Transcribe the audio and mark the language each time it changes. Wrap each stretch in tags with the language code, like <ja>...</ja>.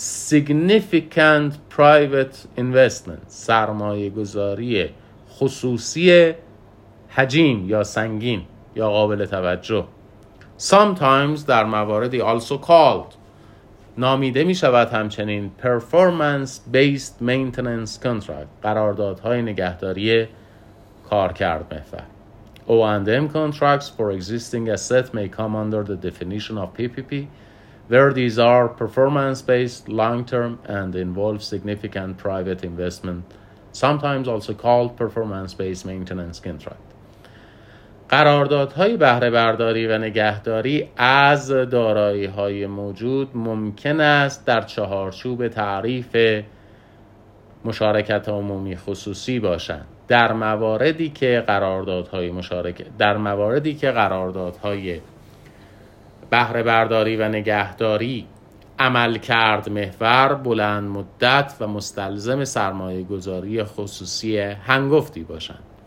<en>significant private investment</en> <fa>سرمایه گذاری خصوصی حجیم یا سنگین یا قابل توجه</fa> <en>sometimes</en> <fa>در مواردی</fa> <en>also called</en> <fa>نامیده می شود همچنین</fa> <en>performance based maintenance contract</en> <fa>قراردادهای نگهداری کارکرد محور.</fa> <en>O&M contracts for existing assets may come under the definition of PPP, where these are performance-based, long-term, and involve significant private investment, sometimes also called performance-based maintenance contract.</en> <fa>قراردادهای بهره برداری و نگهداری از دارایی‌های موجود ممکن است در چهارچوب تعریف مشارکت عمومی خصوصی باشند. در مواردی که قراردادهای مشارکت در مواردی که قراردادهای بهره برداری و نگهداری عملکرد محور بلند مدت و مستلزم سرمایه گذاری خصوصی هنگفتی باشند.</fa>